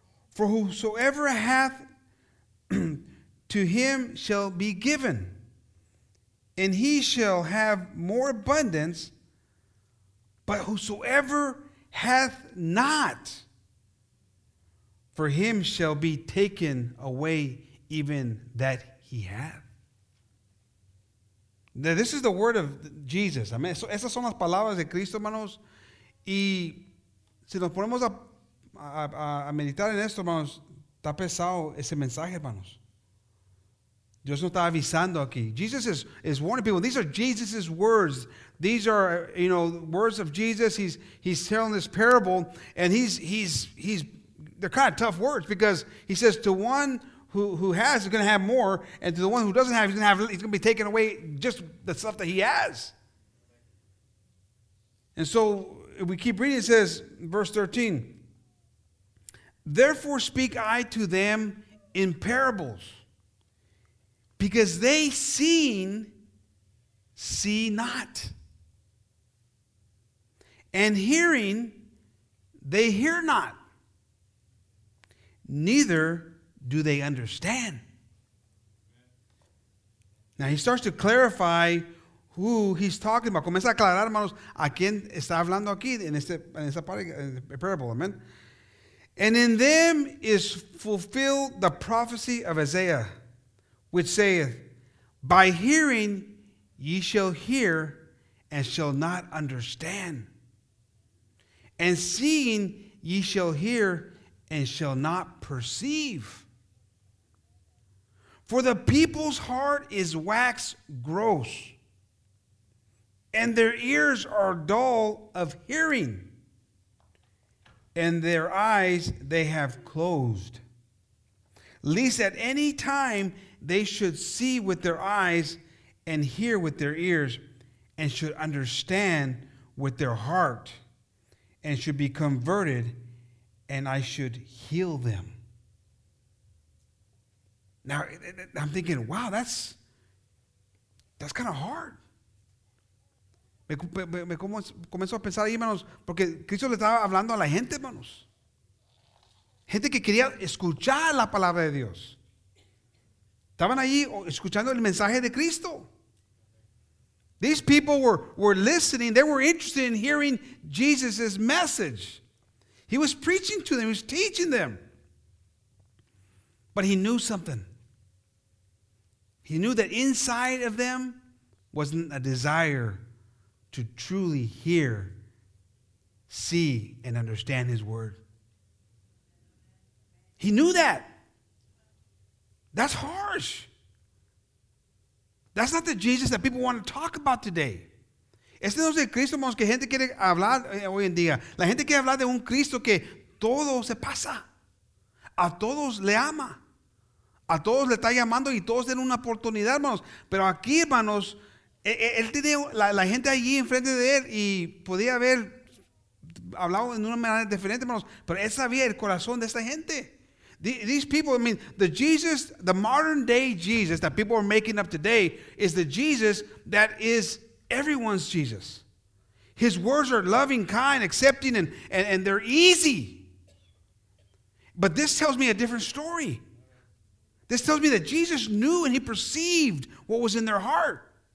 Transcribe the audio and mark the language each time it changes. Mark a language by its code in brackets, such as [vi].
[en] For whosoever hath, to him shall be given, and he shall have more abundance. But whosoever hath not, for him shall be taken away even that he hath. Now, this is the word of Jesus. Amen. [es] Esas son las palabras de Cristo, hermanos. Y si nos ponemos a meditar en esto, hermanos, está pesado ese mensaje, hermanos. Dios nos está avisando aquí. [en] Jesus is warning people. These are Jesus' words. These are, you know, words of Jesus. He's telling this parable, and he's they're kind of tough words, because he says to one who has is going to have more, and to the one who doesn't have, he's going to be taken away just the stuff that he has. And so we keep reading. It says, verse 13, therefore speak I to them in parables, because they seeing see not, and hearing they hear not, neither do they understand. Now he starts to clarify who he's talking about. [es] Comienza a aclarar, hermanos, a quien está hablando aquí en esta parte, en esta parable. [en] Amen. And in them is fulfilled the prophecy of Isaiah, which saith, by hearing ye shall hear and shall not understand, and seeing ye shall hear and shall not perceive. For the people's heart is wax gross, and their ears are dull of hearing, and their eyes they have closed, lest at any time they should see with their eyes and hear with their ears and should understand with their heart and should be converted, and I should heal them. Now, I'm thinking, wow, that's kind of hard. [es] Me comenzó a pensar ahí, hermanos, porque Cristo le estaba hablando a la gente, hermanos. Gente que quería escuchar la palabra de Dios. Estaban ahí escuchando el mensaje de Cristo. [en] These people were listening. They were interested in hearing Jesus' message. He was preaching to them. He was teaching them. But he knew something. He knew that inside of them wasn't a desire to truly hear, see, and understand his word. He knew that. That's harsh. That's not the Jesus that people want to talk about today. [es] Este no es el Cristo, hermanos, que gente quiere hablar hoy en día. La gente quiere hablar de un Cristo que todo se pasa. A todos le ama. A todos le está llamando y todos tienen una oportunidad, hermanos. Pero aquí, hermanos, él tiene la gente allí enfrente de él y podía haber hablado en una manera diferente, hermanos. Pero él sabía el corazón de esta gente. [en] These people, I mean, the Jesus, the modern day Jesus that people are making up today is the Jesus that is everyone's Jesus. His words are loving, kind, accepting, and they're easy. But this tells me a different story. This tells me that Jesus knew and he perceived what was in their heart.